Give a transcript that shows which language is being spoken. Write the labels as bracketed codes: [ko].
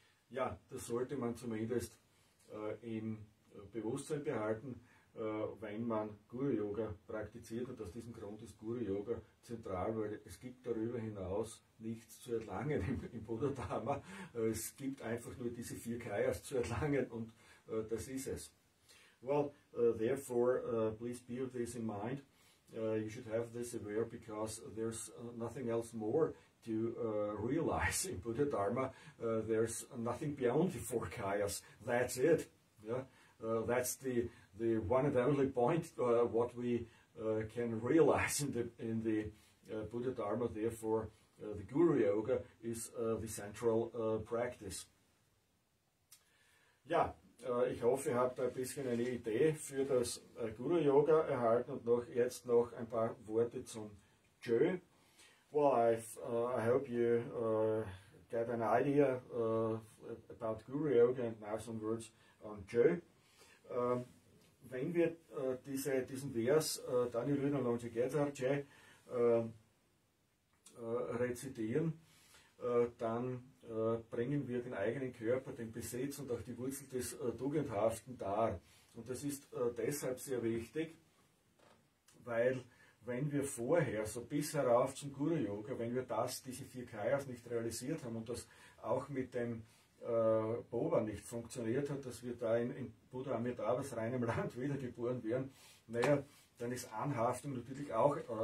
[de] Ja, das sollte man zumindest im Bewusstsein behalten, wenn man Guru-Yoga praktiziert, und aus diesem Grund ist Guru-Yoga zentral, weil es gibt darüber hinaus nichts zu erlangen im Buddha-Dharma. Es gibt einfach nur diese vier Kayas zu erlangen, und das ist es. [en] Well, therefore, please bear this in mind. You should have this aware, because there's nothing else more to realize in Buddha Dharma. There's nothing beyond the four kayas. That's it. Yeah, that's the one and only point what we can realize in the Buddha Dharma. Therefore, the Guru Yoga is the central practice. Yeah. [de] Ich hoffe, ihr habt ein bisschen eine Idee für das Guru-Yoga erhalten, und noch jetzt noch ein paar Worte zum Jö. [en] Well, I hope you get an idea about Guru-Yoga, and now some words on Jö. [de] Wenn wir diesen Vers, Dani Rüden und Longe Gezar Jö, rezitieren, dann bringen wir den eigenen Körper, den Besitz und auch die Wurzel des Tugendhaften dar. Und das ist deshalb sehr wichtig, weil wenn wir vorher, so bis herauf zum Guru-Yoga, wenn wir diese vier Kayas nicht realisiert haben und das auch mit dem Boba nicht funktioniert hat, dass wir da in Buddha Amitabhas reinem Land wiedergeboren werden, naja, dann ist Anhaftung natürlich auch